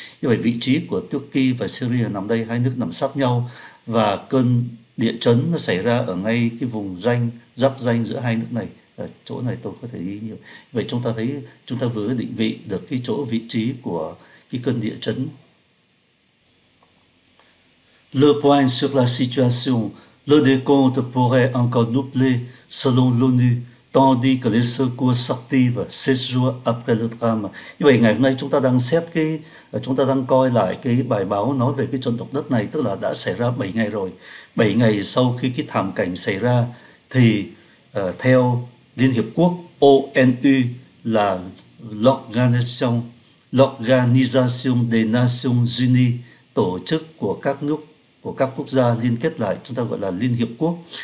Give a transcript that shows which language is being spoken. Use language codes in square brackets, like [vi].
[vi] Như vậy vị trí của Turkey và Syria nằm đây, hai nước nằm sát nhau. Và cơn địa chấn nó xảy ra ở ngay cái vùng ranh, giáp ranh giữa hai nước này. Ở chỗ này tôi có thể ghi nhiều. Vậy chúng ta thấy chúng ta vừa định vị được cái chỗ vị trí của cái cơn địa chấn. [fr] Le point sur la situation, le décompte pourrait encore doubler selon l'ONU, tandis que les secours s'activent 16 jours après le drame. [vi] Như vậy ngày hôm nay chúng ta đang xét cái, chúng ta đang coi lại cái bài báo nói về cái trận động đất này, tức là đã xảy ra 7 ngày rồi. 7 ngày sau khi cái thảm cảnh xảy ra thì theo Liên Hiệp Quốc ONU là l'Organisation des Nations Unies, tổ chức của các nước, của các quốc gia liên kết lại, chúng ta gọi là Liên Hiệp Quốc.